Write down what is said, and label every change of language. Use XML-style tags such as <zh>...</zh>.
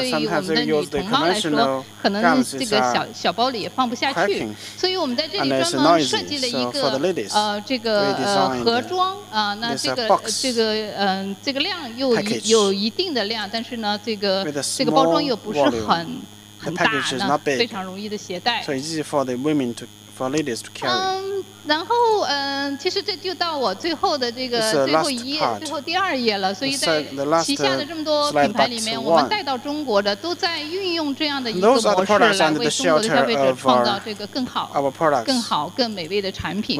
<zh>对于我们的女同胞来说，可能这个小包里也放不下去，所以我们在这里专门设计了一个盒装那这个量有一定的量，但是呢这个包装又不是很大，非常容易的携带。</zh> <en>So easy for the women to, for ladies to carry.</en> <zh>然后其实这就到我最后的这个最后一页，最后第二页了。所以在旗下的这么多品牌里面，我们带到中国的都在运用这样的一个模式来为中国的消费者创造这个更好、更美味的产品。</zh>